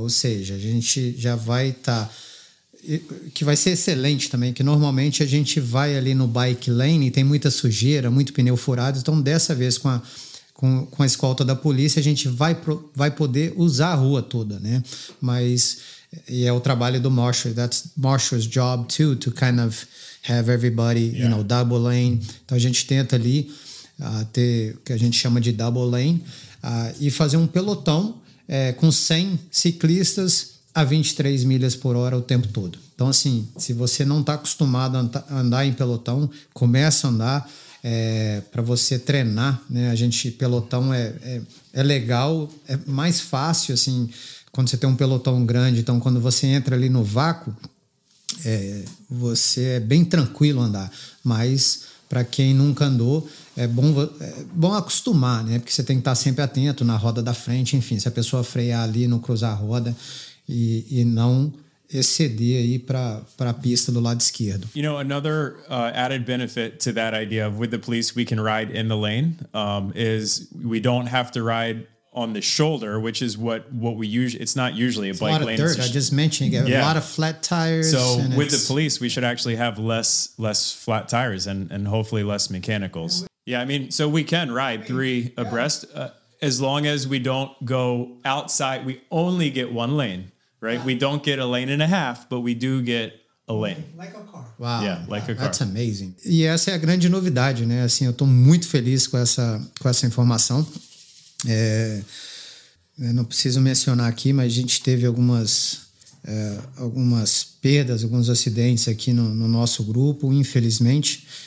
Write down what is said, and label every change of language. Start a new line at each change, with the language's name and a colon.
Portuguese: Ou seja, a gente já vai estar... Que vai ser excelente também, que normalmente a gente vai ali no bike lane e tem muita sujeira, muito pneu furado. Então, dessa vez, com a escolta da polícia, a gente vai poder usar a rua toda, né? Mas, e é o trabalho do Marshall.
English: That's Marshall's job, too, to kind of have everybody, you know, double lane. Então, a gente tenta ali ter o que a gente chama de double lane e fazer um pelotão com 100 ciclistas a 23 milhas por hora o tempo todo. Então, assim, se você não está acostumado a andar em pelotão, começa a andar... para você treinar, né? A gente, pelotão é legal, é mais fácil, assim, quando você tem um pelotão grande. Então, quando você entra ali no vácuo, você é bem tranquilo andar. Mas, para quem nunca andou, é bom acostumar, né? Porque você tem que estar sempre atento na roda da frente, enfim, se a pessoa frear ali, não cruzar a roda e não... exceder aí para a pista do lado esquerdo. You know, another added benefit to that idea of with the police, we can ride in the lane, is we don't have to ride on the shoulder, which is what we usually, it's not usually it's a bike lane. A lot of dirt, I just mentioned, you have a lot of flat tires. So with the police, we should actually have less flat tires and hopefully less mechanicals. Yeah, I mean, so we can ride three abreast as long as we don't go outside, we only get one lane. Right, we don't get a lane and a half, but we do get a lane. Like a car. Wow. Yeah, like a car. That's amazing.
Portuguese: E essa é a grande novidade, né? Assim, eu estou muito feliz com essa informação. Eu não preciso mencionar aqui, mas a gente teve algumas perdas, alguns acidentes aqui no nosso grupo, infelizmente.